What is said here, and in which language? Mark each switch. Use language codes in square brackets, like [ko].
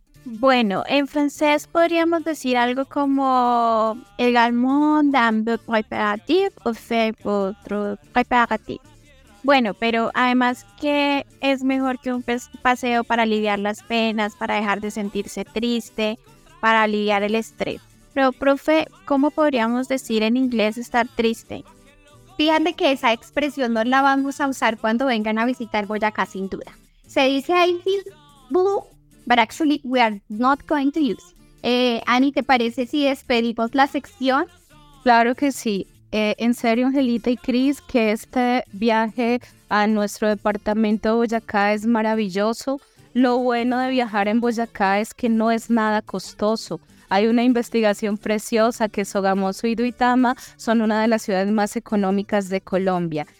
[es] Bueno, en francés podríamos decir algo como [fr] également dans vos préparatifs ou faire votre préparatif. [es] Bueno, pero además, ¿qué es mejor que un paseo para aliviar las penas, para dejar de sentirse triste, para aliviar el estrés? Pero, profe, ¿cómo podríamos decir en inglés estar triste? Fíjate que esa expresión no la vamos a usar cuando vengan a visitar Boyacá, sin duda. Se dice [en] I feel blue, but actually we are not going to use. [es] Annie, ¿te parece si despedimos la sección? Claro que sí. En serio, Angelita y Cris, que este viaje a nuestro departamento de Boyacá es maravilloso. Lo bueno de viajar en Boyacá es que no es nada costoso. Hay una investigación preciosa que Sogamoso y Duitama son una de las ciudades más económicas de Colombia.